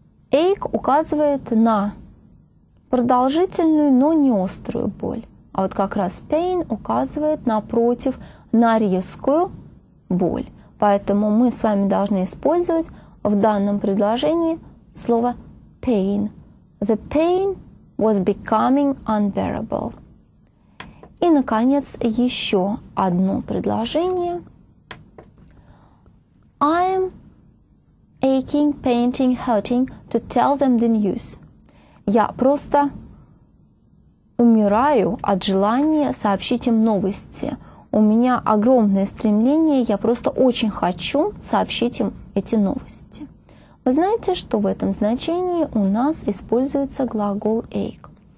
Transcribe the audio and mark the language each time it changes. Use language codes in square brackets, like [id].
[ru] Ache указывает на продолжительную, но не острую боль, а вот как раз pain указывает напротив на резкую боль. Поэтому мы с вами должны использовать в данном предложении слово pain. [en] The pain was becoming unbearable. [ru] И, наконец, еще одно предложение. [en] I'm aching, painting, hurting to tell them the news. [ru] Я просто умираю от желания сообщить им новости. У меня огромное стремление, я просто очень хочу сообщить им эти новости. Вы знаете, что в этом значении у нас используется глагол ache.